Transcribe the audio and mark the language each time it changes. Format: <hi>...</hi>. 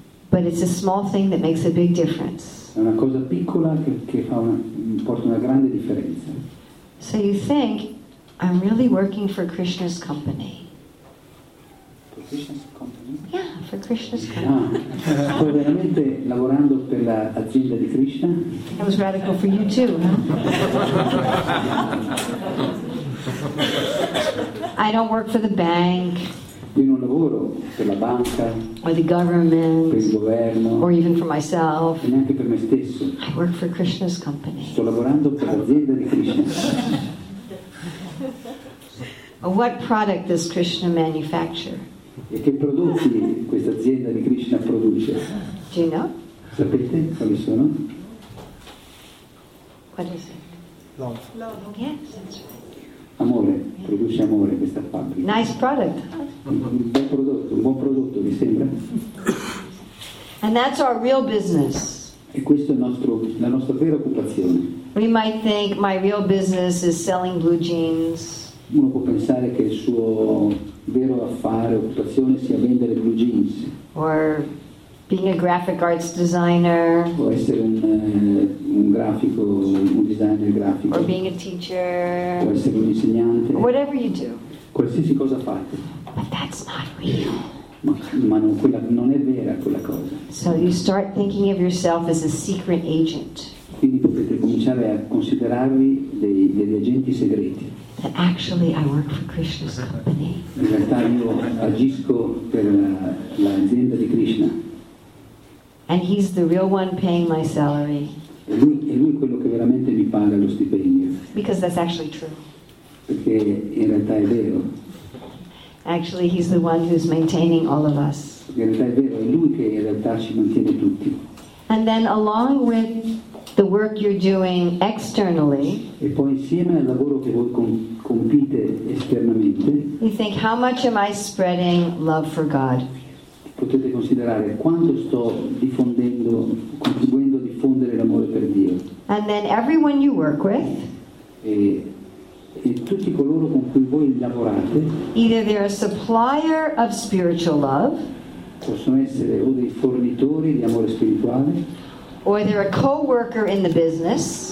<en>But it's a small thing that makes a big difference.</en> <it>È una cosa piccola che fa porta una grande differenza.</it> <en>So you think, I'm really working for Krishna's company. For Krishna's company? Yeah, for Krishna's company.</en> <it>Ah, sto veramente lavorando per l'azienda di Krishna?</it> <en>That was radical for you too, huh? I don't work for the bank.</en> <it>Io non lavoro per la banca.</it> <en>Or the government.</en> <it>Per il governo.</it> <en>Or even for myself.</en> <it>E neanche per me stesso.</it> <en>I work for Krishna's company.</en> <it>Sto lavorando per l'azienda di Krishna.</it> <en>What product does Krishna manufacture?</en> <it>E che prodotti questa azienda di Krishna produce?</it> <en>Do you know?</en> <it>Sapete quali sono?</it> <en>What is it? Love. Love. Yes, that's right.</en> <it>Amore, produce amore questa fabbrica.</it> <en>Nice product.</en> <it>Un buon prodotto, vi sembra?</it> <en>And that's our real business.</en> <it>E questo è la nostra vera occupazione.</it> <en>We might think my real business is selling blue jeans.</en> <it>Uno può pensare che il suo vero affare, occupazione sia vendere blue jeans.</it> <en>Or being a graphic arts designer.</en> <it>O essere un designer grafico.</it> <en>Or being a teacher.</en> <it>O essere un insegnante.</it> <en>Whatever you do.</en> <it>Qualsiasi cosa fate.</it> <en>But that's not real.</en> <it>Ma non è vera quella cosa.</it> <en>So you start thinking of yourself as a secret agent.</en> <it>Quindi potete cominciare a considerarvi degli agenti segreti.</it> <en>That actually I work for Krishna's company.</en> <it>In realtà io agisco per l'azienda di Krishna.</it> <en>And he's the real one paying my salary.</en> <it>E lui è quello che veramente mi paga lo stipendio.</it> <en>Because that's actually true.</en> <it>Perché in realtà è vero.</it> <en>Actually, he's the one who's maintaining all of us.</en> <it>Perché in realtà è vero, è lui che in realtà ci mantiene tutti.</it> <en>And then along with the work you're doing externally.</en> <it>E poi insieme al lavoro che voi compite esternamente.</it> <en>You think, how much am I spreading love for God?</en> <it>Potete considerare quanto sto diffondendo, contribuendo a diffondere l'amore per Dio.</it> <en>And then everyone you work with,</en> <it>e tutti coloro con cui voi lavorate,</it> <en>either they're a supplier of spiritual love,</en> <it>possono essere o dei fornitori di amore spirituale,</it> <en>or they're a co-worker in the business,</en>